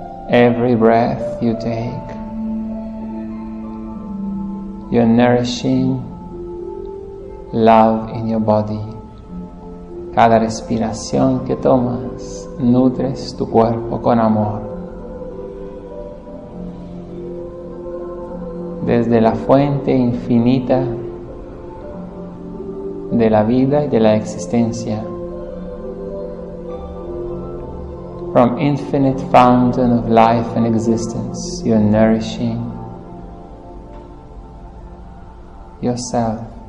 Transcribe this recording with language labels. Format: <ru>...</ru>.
<en>Every breath you take, you're nourishing love in your body.</en> <es>Cada respiración que tomas, nutres tu cuerpo con amor. Desde la fuente infinita de la vida y de la existencia.</es> <en>From infinite fountain of life and existence, you are nourishing yourself.</en>